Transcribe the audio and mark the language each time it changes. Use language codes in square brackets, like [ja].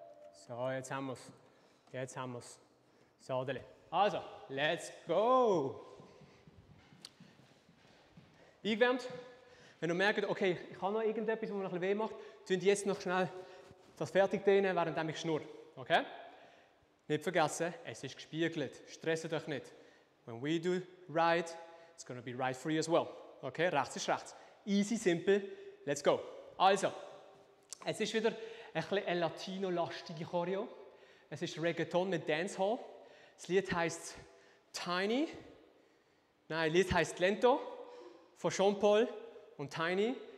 [de] So, jetzt haben wir's. Jetzt haben wir's. So, dalle. [en] Also, let's go. [de] Eingewärmt. Wenn du merkst, okay, ich habe noch irgendetwas, was mir noch ein bisschen weh macht, könnt ihr jetzt noch schnell das fertig dehnen, während ich schnurre. Okay? Nicht vergessen, es ist gespiegelt. Stresst euch nicht. [en] When we do right, it's gonna be right for you as well. [de] Okay, rechts ist rechts. [en] Easy, simple, let's go. [de] Also, es ist wieder ein bisschen Latino-lastige Choreo. Es ist Reggaeton mit Dancehall. Das Lied heisst Tiny. Nein, das Lied heisst Lento von Jean-Paul und Tiny.